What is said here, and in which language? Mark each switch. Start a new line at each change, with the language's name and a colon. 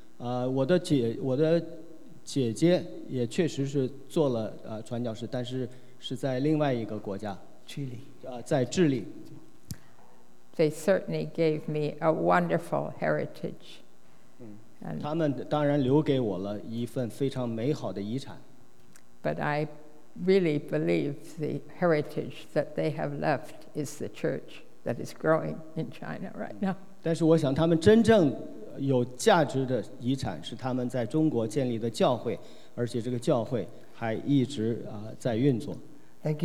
Chinese: 很难具体的讲，但是我们长大的过程中，时常受到我们父亲、父母亲的感动。当时我想，我也要长大，像他们一样，做福音传福音的工作。我的姐，我的。姐姐也确实是做了传教士，但是是在另外一个国家，智利，在智利。
English: They certainly gave me a wonderful heritage.
Chinese: 他们当然留给我了一份非常美好的遗产。
English: But I really believe the heritage that they have left is the church that is growing in China right now.
Chinese: 但是我想他们真正 有价值的遗产是他们在中国建立的教会，而且这个教会还一直在运作。
English: Thank